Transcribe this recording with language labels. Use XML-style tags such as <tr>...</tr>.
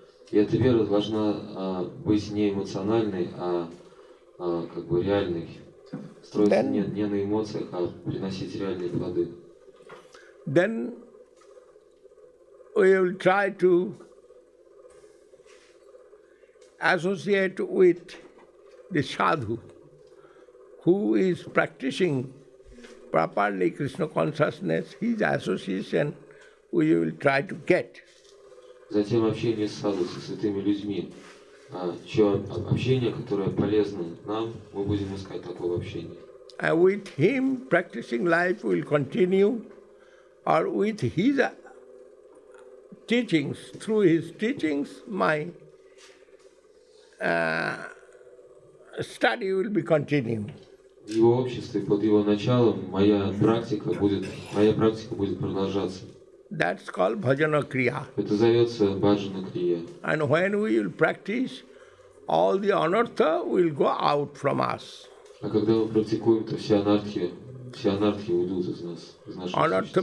<ru>И эта вера должна быть не эмоциональной, а как бы реальной. Строиться не на эмоциях, а приносить реальные плоды.</ru> <en>Then we will try to associate with the sadhu who is practicing properly Krishna consciousness. His association we will try to get.</en> <ru>Затем общение с садху, со святыми людьми, чье общение, которое полезно нам, мы будем искать такое общение.</ru> <en>And with him practicing life will continue, or with his teachings, through his teachings, my study will be continued.</en> <ru>В его обществе, под его началом, моя практика будет продолжаться.</ru> <en>That's called бхаджана-крийя.</en> <ru>Это зовется бхаджана-крийя.</ru> <en>And when we will practice, all the anartha will go out from us.</en> <ru>А когда мы практикуем, то все анартхи уйдут из нас, из нашего существа.</ru>